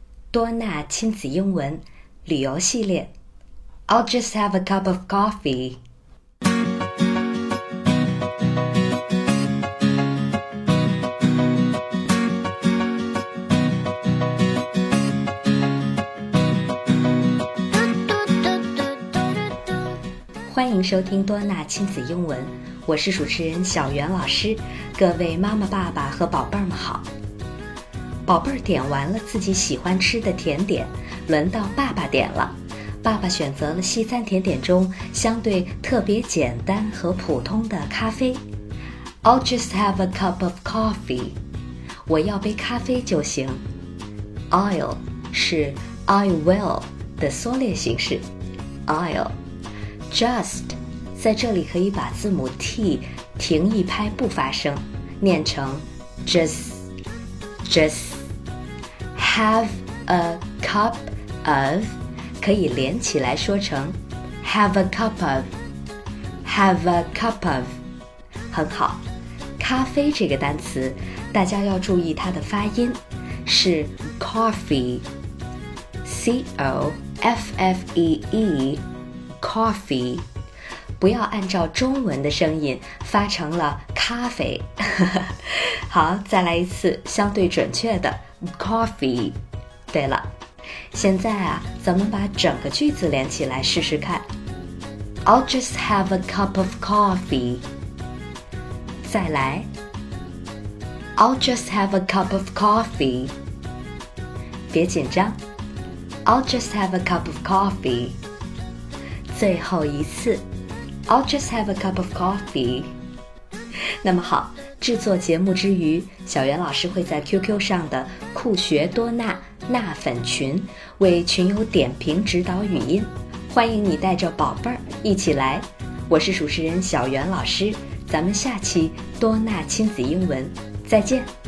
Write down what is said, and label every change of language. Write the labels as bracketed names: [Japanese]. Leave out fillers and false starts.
[Chinese] 多安娜亲子英文旅游系列。 [English] I'll just have a cup of coffee. [Chinese] 欢迎收听多安娜亲子英文，我是主持人小袁老师。各位妈妈爸爸和宝贝儿们好。宝贝儿点完了自己喜欢吃的甜点，轮到爸爸点了。爸爸选择了西餐甜点中相对特别简单和普通的咖啡。 [English] I'll just have a cup of coffee. [Chinese] 我要杯咖啡就行。 I'll 是 [English] I will [Chinese] 的缩略形式。 [English] I'll Just [Chinese] 在这里可以把字母 T 停一拍不发声，念成 [English] Just Have a cup of， [Chinese] 可以连起来说成 [English] Have a cup of Have a cup of。 [Chinese] 很好，咖啡这个单词大家要注意它的发音，是 coffee C-O-F-F-E-E coffee， 不要按照中文的声音发成了咖啡。好，再来一次相对准确的 coffee。对了，现在啊，咱们把整个句子连起来试试看。 [English] I'll just have a cup of coffee. [Chinese] 再来。 [English] I'll just have a cup of coffee. [Chinese] 别紧张。 [English] I'll just have a cup of coffee. [Chinese] 最后一次。 [English] I'll just have a cup of coffee. [Chinese] 那么好，制作节目之余，小袁老师会在 QQ 上的酷学多纳纳粉群为群友点评指导语音，欢迎你带着宝贝儿一起来。我是主持人小袁老师，咱们下期多纳亲子英文再见。